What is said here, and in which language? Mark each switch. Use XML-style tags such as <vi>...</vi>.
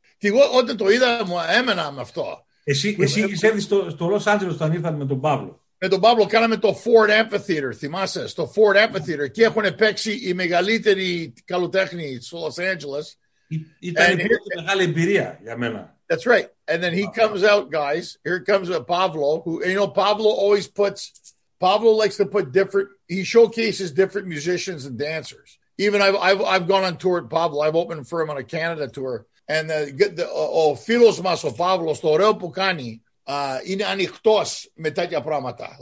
<el>Και εγώ όταν το είδα, μου έμενα με αυτό. Εσύ είχες έρθει στο Los Angeles όταν ήρθατε με τον Παύλο. Με τον Παύλο κάναμε το Ford Amphitheater, θυμάσαι, στο Ford Amphitheater. Και έχουν παίξει οι μεγαλύτεροι καλλιτέχνοι στο Los Angeles. Ήταν η πρώτη μεγάλη εμπειρία για μένα.</el> <en>That's right. And then he comes out, guys. Here comes Pablo, who, you know, Pablo likes to put different, he showcases different musicians and dancers. Even I've gone on tour with Pablo. I've opened for him on a Canada tour.</en> <el>And φίλος μας ο Παύλος, το ωραίο που κάνει, είναι ανοιχτός με τέτοια πράγματα.</el>